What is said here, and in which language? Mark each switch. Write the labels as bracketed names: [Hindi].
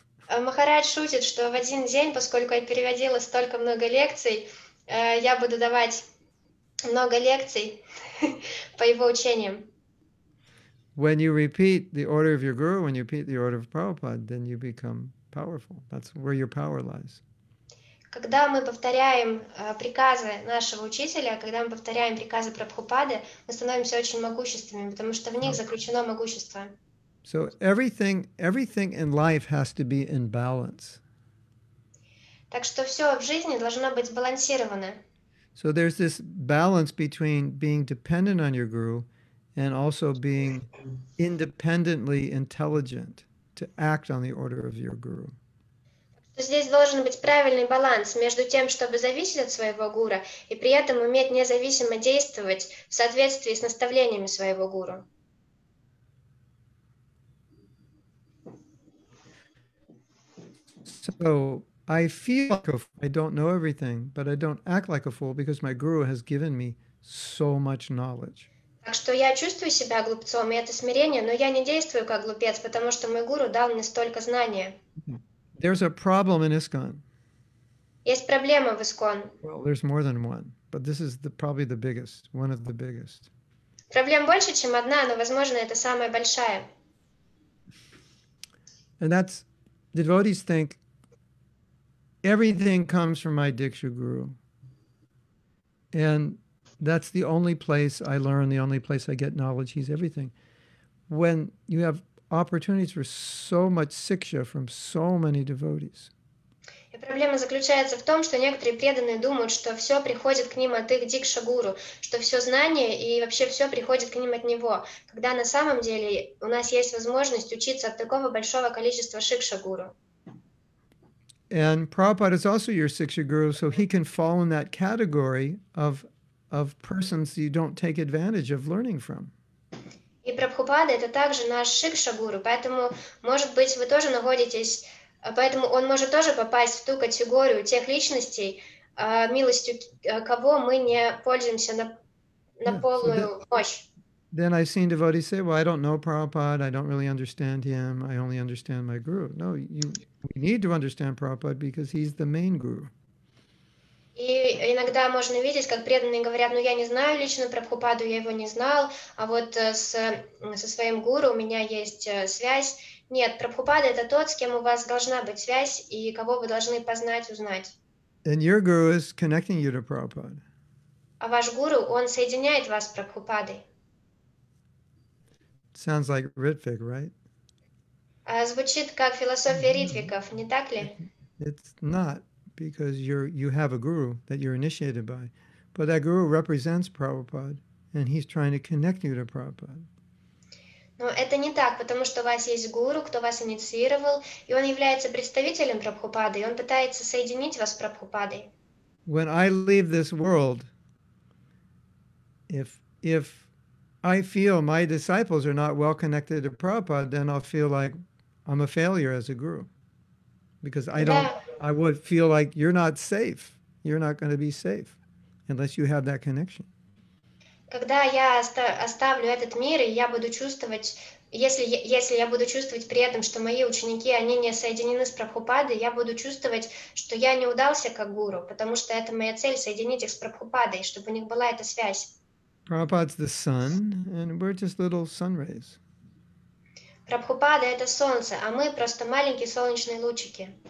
[Russian] Махарадж шутит, что в один день, поскольку я переводила столько много лекций, я буду давать много лекций по его учениям. [English] When you repeat the order of your guru, when you repeat the order of Prabhupada, then you become powerful. That's where your power lies. [Russian] Когда мы повторяем приказы нашего учителя, когда мы повторяем приказы Прабхупады, мы становимся очень могущественными, потому что в них заключено могущество. [English] So everything in life has to be in balance. [Russian] Так что все в жизни должно быть сбалансировано. [English] So there's this balance between being dependent on your guru and also being independently intelligent to act on the order of your guru. [Russian] Здесь должен быть правильный баланс между тем, чтобы зависеть от своего гуру, и при этом уметь независимо действовать в соответствии с наставлениями своего гуру. [English] So I feel like a fool. I don't know everything, but I don't act like a fool because my guru has given me so much knowledge. [Russian] Так что я чувствую себя глупцом, и это смирение, но я не действую как глупец, потому что мой гуру дал мне столько знания. [English] There's a problem in ISKCON. [Russian] Есть проблема в ISKCON. [English] Well, there's more than one, but this is probably the biggest, one of the biggest. [Russian] Проблем больше, чем одна, но, возможно, это самая большая. [English] And that's, the devotees think, everything comes from my Diksha Guru. And that's the only place I learn, the only place I get knowledge. He's everything. When you have opportunities for so much siksha from so many devotees. [Russian] И проблема заключается в том, что некоторые преданные думают, что все приходит к ним от их дикша гуру, что все знание и вообще все приходит к ним от него, когда на самом деле у нас есть возможность учиться от такого большого количества шикша гуру. [English] And Prabhupada is also your siksha guru, so he can fall in that category of persons you don't take advantage of learning from. [Russian] И Прабхупада — это также наш шикша гуру, поэтому, может быть, вы тоже находитесь, поэтому он может тоже попасть в ту категорию тех личностей, милостью кого мы не пользуемся на полную мощь. [English] Then I've seen devotees say, well, I don't know Prabhupada. I don't really understand him. I only understand my guru. No, we need to understand Prabhupada because he's the main guru. [Russian] И иногда можно видеть, как преданные говорят, ну, я не знаю лично Прабхупаду, я его не знал, а вот со своим гуру у меня есть связь. Нет, Прабхупада — это тот, с кем у вас должна быть связь и кого вы должны познать, узнать. [English] And your guru is connecting you to Prabhupada. [Russian] А ваш гуру, он соединяет вас с Прабхупадой. [English] Sounds like Ritvik, right? [Russian] Звучит как философия Ритвиков, не так ли? [English] It's not, because you have a guru that you're initiated by. But that guru represents Prabhupada, and he's trying to connect you to Prabhupada. [Russian] Но это не так, потому что у вас есть гуру, кто вас инициировал, и он является представителем Прабхупады, и он пытается соединить вас с Прабхупадой. [English] When I leave this world, if I feel my disciples are not well connected to Prabhupada, then I'll feel like I'm a failure as a guru. Because I would feel like you're not safe. You're not going to be safe unless you have that connection. [Russian] Когда я оставлю этот мир, и я буду чувствовать, если я буду чувствовать при этом, что мои ученики, они не соединены с Прабхупадой, я буду чувствовать, что я не удался как гуру, потому что это моя цель — соединить их с Прабхупадой, чтобы у них была эта связь. [English] Prabhupada's the sun, and we're just little sun rays. [Russian] Прабхупада — это солнце, а мы просто маленькие солнечные лучики.